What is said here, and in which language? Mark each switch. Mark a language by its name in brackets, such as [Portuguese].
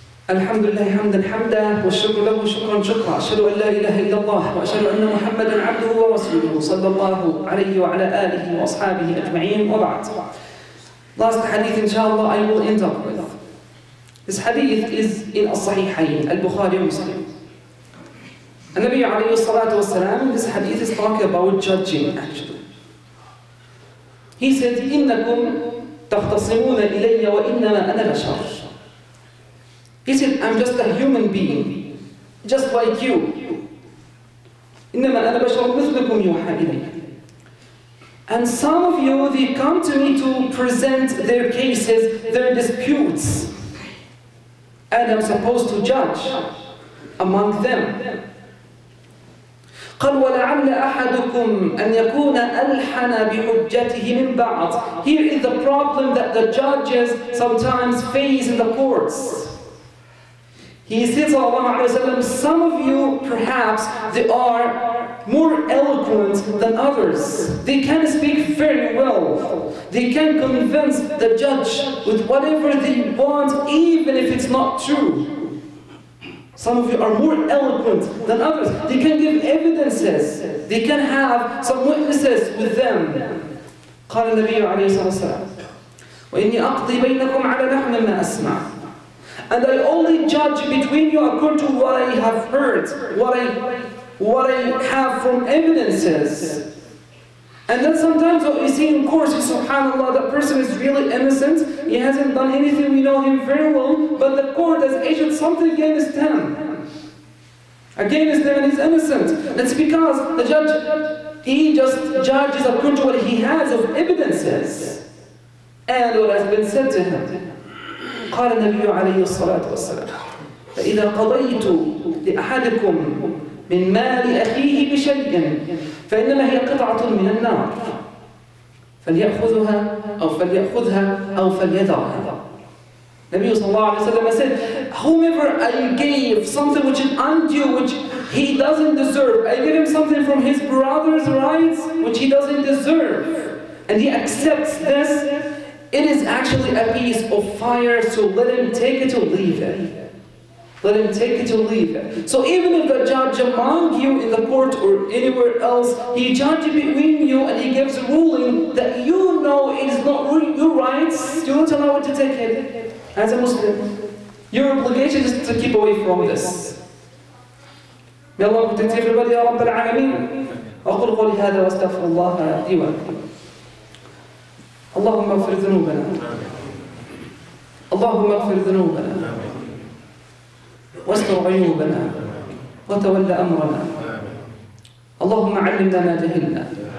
[Arabic] الحمد لله حمدا حمدا والشكر له شكرا شكرا. أشهد أن لا إله إلا الله وأشهد أن محمدا عبده ورسوله صلى الله عليه وعلى آله وأصحابه أجمعين. [English] وبعد, last hadith إن شاء الله I will end up with. This hadith is in الصحيحين البخاري ومسلم. [Arabic] النبي عليه الصلاة والسلام, [English] this hadith is talking about judging actually. He said [Arabic] إنكم تختصمون إلي وإنما أنا بشر. [English] He said, I'm just a human being, just like you. [Arabic] إِنَّمَا أَنَا بَشَرٌ مِثْلُكُمْ يُوحَى إِلَيْهِ. [English] And some of you, they come to me to present their cases, their disputes. And I'm supposed to judge among them. [Arabic] قَلْ وَلَعَلَّ أَحَدُكُمْ أَنْ يَكُونَ أَلْحَنَ بِحُجَّتِهِ مِنْ بَعْضٍ. [English] Here is the problem that the judges sometimes face in the courts. He says, Allah, some of you, perhaps, they are more eloquent than others. They can speak very well. They can convince the judge with whatever they want, even if it's not true. Some of you are more eloquent than others. They can give evidences. They can have some witnesses with them. [Arabic] قال النبي عليه الصلاة والسلام, وَإِنِّي أَقْضِي بَيْنَكُمْ عَلَى لَحْمٍ مَا أَسْمَعُ. [English] And I only judge between you according to what I have heard, what I have from evidences. And then sometimes what we see in courts is, subhanAllah, that person is really innocent, he hasn't done anything, we know him very well, but the court has issued something against him. Against him, and he's innocent. That's because the judge, he just judges according to what he has of evidences and what has been said to him. [Arabic] قال النبي عليه الصلاة والسلام فإذا قضيت لأحدكم من مال أخيه بشيء فإنما هي قطعة من النار فليأخذها أو فليأخذها أو فليذرها. النبي صلى الله عليه وسلم [English] said, whomever I gave something which is undue, which he doesn't deserve, I give him something from his brother's rights, which he doesn't deserve, and he accepts this, it is actually a piece of fire, so let him take it or leave it. Let him take it or leave it. So even if the judge among you in the court or anywhere else, he judges between you and he gives a ruling that you know it is not your rights, you don't allow it to take it. As a Muslim, your obligation is to keep away from this. May Allah protect everybody, [Arabic] Ya Rabbil Alameen. أقول قولي هذا وأستغفر الله لي ولكم. اللهم اغفر ذنوبنا. اللهم اغفر ذنوبنا. واستر عيوبنا. وتول أمرنا. اللهم علمنا ما جهلنا.